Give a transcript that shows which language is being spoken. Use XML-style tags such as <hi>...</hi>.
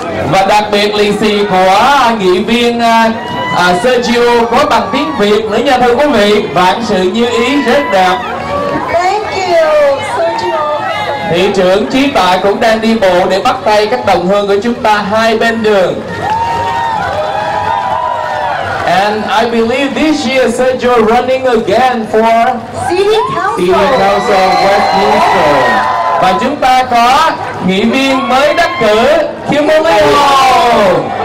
<vi>Và đặc biệt lì xì của nghị viên Sergio có bằng tiếng Việt nữa nha thưa quý vị. Vạn sự như ý, rất đẹp.</vi> <en>Thank you, Sergio.</en> <vi>Thị trưởng Chí Tạ cũng đang đi bộ để bắt tay các đồng hương của chúng ta hai bên đường.</vi> <en>And I believe this year Sergio running again for City Council of Westminster.</en> <vi>Và chúng ta có nghị viên mới đắc cử Kimberly Hall.</vi>